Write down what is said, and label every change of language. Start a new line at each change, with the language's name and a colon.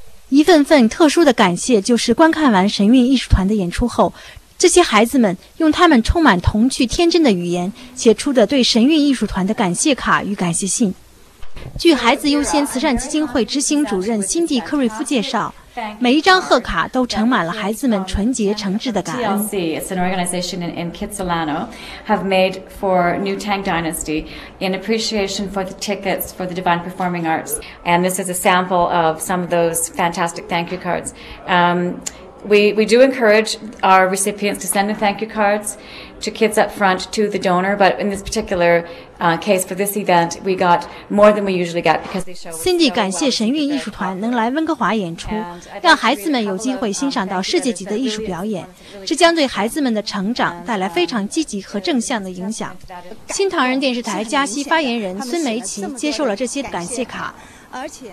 Chinese: 一份份特殊的感谢，就是观看完神韵艺术团的演出后，这些孩子们用他们充满童趣天真的语言写出的对神韵艺术团的感谢卡与感谢信。据孩子优先慈善基金会执行主任辛蒂·科瑞夫介绍，每一张贺卡都盛满了孩子们纯洁诚挚的感恩。
English: TLC is an organization in Kitsilano have made for New Tang Dynasty in appreciation for the tickets for the Divine Performing Arts. And this is a sample of some of those fantastic thank you cards. We do encourage our recipients to send the thank you cards to kids up front to the donor, but in this particular case for this event, we got more than we usually get because they show.
Chinese: Cindy 感谢神韵艺术团能来温哥华演出，让孩子们有机会欣赏到世界级的艺术表演，这将对孩子们的成长带来非常积极和正向的影响。新唐人电视台加西发言人孙梅琪接受了这些感谢卡，而且